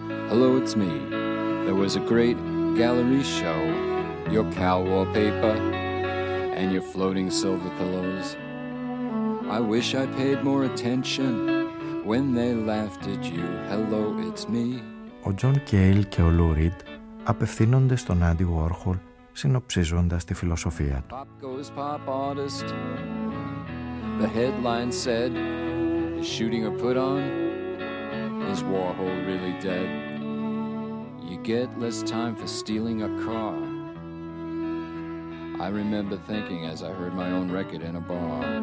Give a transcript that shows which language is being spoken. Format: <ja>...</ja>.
<en>Hello, it's me. There was a great gallery show. Your cow wallpaper and your floating silver pillows. I wish I paid more attention when they laughed at you. Hello, it's me.</en> <el>Ο John Cale και ο Lou Reed απευθύνονται στον Άντι Βόρχολ, συνοψίζοντας τη φιλοσοφία του.</el> <en>Pop goes pop artist. The headline said, is shooting a put on? Is Warhol really dead? You get less time for stealing a car. I remember thinking as I heard my own record in a bar.</en>